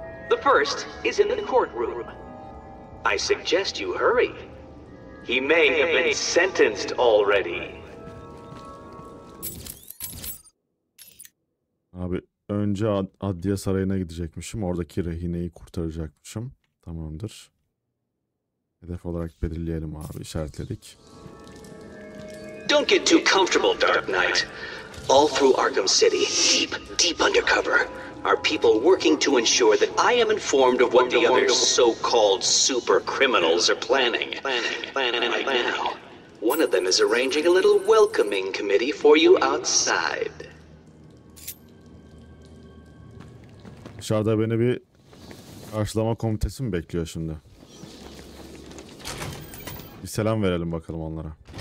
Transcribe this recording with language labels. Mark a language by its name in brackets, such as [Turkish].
[English] The first is in the courtroom. I suggest you hurry. He may have been sentenced already. [Turkish] Abi, önce Adliye Sarayı'na gidecekmişim. Oradaki rehineyi kurtaracakmışım. Tamamdır. Hedef olarak belirleyelim abi, işaretledik. [English] Don't get too comfortable, Dark Knight. All through Arkham City, deep, deep undercover, are people working to ensure that I am informed of what the other so-called super criminals are planning. Now, one of them is arranging a little welcoming committee for you outside. [Turkish] Dışarıda beni bir karşılama komitesi mi bekliyor şimdi? Bir selam verelim bakalım onlara.